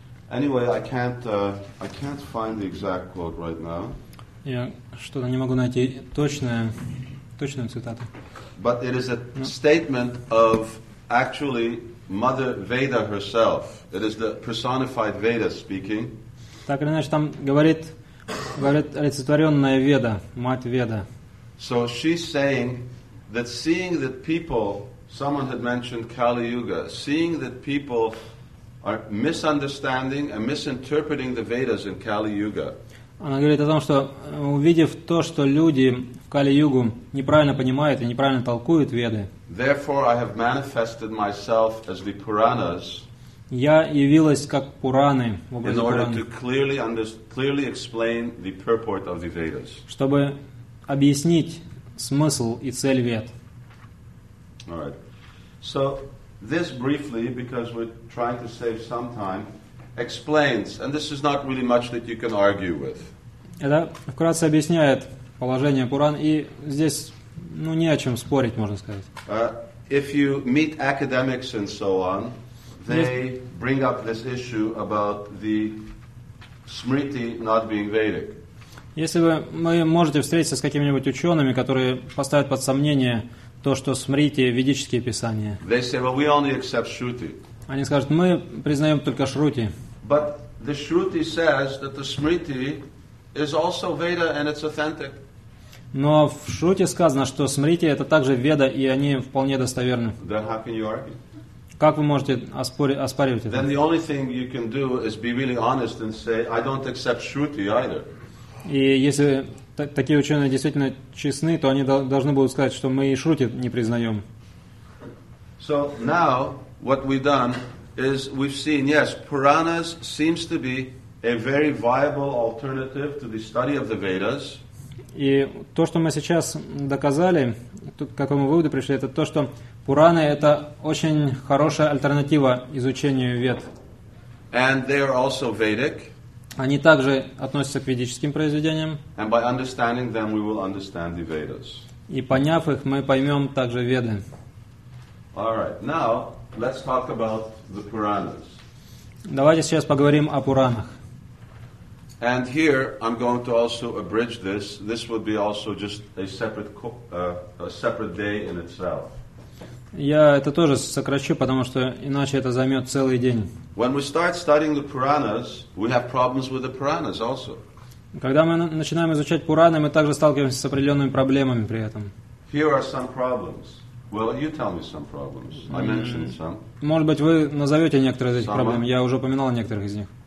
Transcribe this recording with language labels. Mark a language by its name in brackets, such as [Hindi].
[English] Anyway, I can't find the exact quote right now. [Russian] Я что-то не могу найти точную цитату. [English] But it is a statement of actually Mother Veda herself. It is the personified Veda speaking. [Russian] Так или иначе, там говорит олицетворенная Веда, мать Веда. [English] So she's saying that seeing that people, someone had mentioned Kali Yuga, seeing that people are misunderstanding and misinterpreting the Vedas in Kali Yuga. [Russian] Она говорит о том, что увидев то, что люди в Кали-Югу неправильно понимают и неправильно толкуют Веды, [English] therefore I have manifested myself as the Puranas, [Russian] я явилась как Пураны, в образе Пураны, [English] in order to clearly explain the purport of the Vedas. [Russian] Чтобы объяснить смысл и цель Вед. [English] All right. So this briefly, because we're trying to save some time, explains, and this is not really much that you can argue with. [Russian] Это вкратце объясняет положение Пуран, и здесь не о чем спорить, можно сказать. [English] If you meet academics and so on, they bring up this issue about the Smriti not being Vedic. [Russian] Если вы можете встретиться с какими-нибудь учеными, которые поставят под сомнение то, что Смрити — ведические писания. [English] They say, well, we only accept Shruti. [Russian] Они скажут, мы признаем только Шрути. [English] But the Shruti says that the Smriti is also Veda and it's authentic. [Russian] Но в Шрути сказано, что Смрити — это также Веда, и они вполне достоверны. [English] Then how can you argue? [Russian] Как вы можете оспаривать это? [English] Then the only thing you can do is be really honest and say, I don't accept Shruti either. [Russian] И если такие ученые действительно честны, то они должны будут сказать, что мы и Шрути не признаем. [English] So now what we've done is we've seen, yes, Puranas seems to be a very viable alternative to the study of the Vedas. [Russian] И то, что мы сейчас доказали, к какому выводу пришли, это то, что Пураны — это очень хорошая альтернатива изучению Вед. [English] And they are also Vedic. [Russian] Они также относятся к ведическим произведениям. [English] And by understanding them, we will understand the Vedas. [Russian] И поняв их, мы поймем также Веды. [English] All right. Now, let's talk about the Puranas. [Russian] Давайте сейчас поговорим о Пуранах. [English] And here, I'm going to also abridge this. This would be also just a separate day in itself. [Russian] Я это тоже сокращу, потому что иначе это займет целый день. [English] When we start studying the Puranas, we have problems with the Puranas also. [Russian] Когда мы начинаем изучать Пураны, мы также сталкиваемся с определенными проблемами при этом. [English] Here are some problems. Well, you tell me some problems. I mentioned some. [Russian] Может быть, вы назовете некоторые из этих проблем. Я уже упоминал некоторых из них.